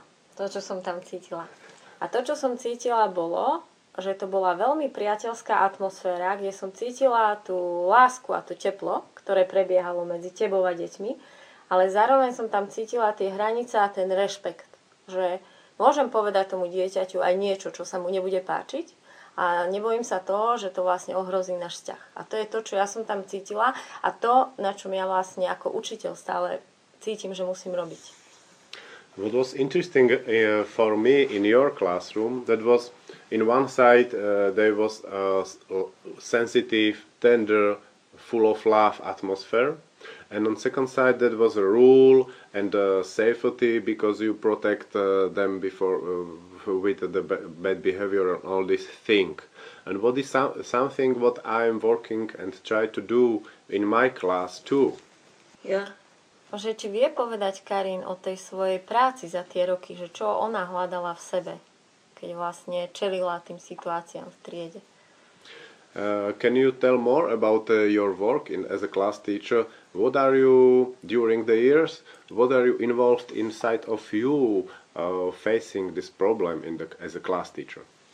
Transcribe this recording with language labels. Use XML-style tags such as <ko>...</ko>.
<sk>A to, čo som cítila, bolo, že to bola veľmi priateľská atmosféra, kde som cítila tú lásku a to teplo, ktoré prebiehalo medzi tebou a deťmi, ale zároveň som tam cítila tie hranice a ten rešpekt, že môžem povedať tomu dieťaťu aj niečo, čo sa mu nebude páčiť a nebojím sa toho, že to vlastne ohrozí náš vzťah. A to je to, čo ja som tam cítila a to, na čom ja vlastne ako učiteľ stále cítim, že musím robiť.</sk> <en>What was interesting for me in your classroom, that was in one side there was a sensitive, tender, full of love atmosphere, and on second side that was a rule and a safety because you protect them before with the bad behavior and all this thing. And what is something what I am working and try to do in my class too? Yeah.</en> <sk>Že či vie povedať Karin o tej svojej práci za tie roky, že čo ona hľadala v sebe, keď vlastne čelila tým situáciám v triede.</sk> <en>Can you tell more about your work in as a class teacher? What are you during the years? What are you involved inside of you facing this problem in the as a class teacher?</en>